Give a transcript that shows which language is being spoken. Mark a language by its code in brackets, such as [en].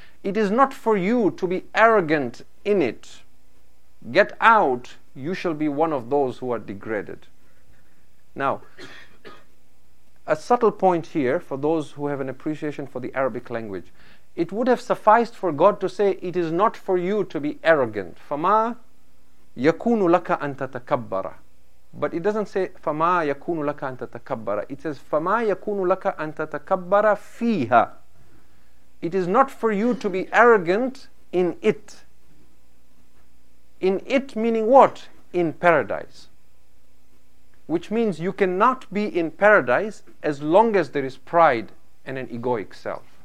[en] It is not for you to be arrogant in it. Get out, you shall be one of those who are degraded. Now, a subtle point here for those who have an appreciation for the Arabic language. It would have sufficed for God to say, it is not for you to be arrogant. [ar] فَمَا يَكُونُ لَكَ أَن تَتَكَبَّرَ. [en] But it doesn't say [ar] فَمَا يَكُونُ لَكَ أَن تَتَكَبَّرَ. [en] It says [ar] فَمَا يَكُونُ لَكَ أَن تَتَكَبَّرَ فِيهَا. [en] It is not for you to be arrogant in it. In it meaning what? In paradise. Which means you cannot be in paradise as long as there is pride and an egoic self.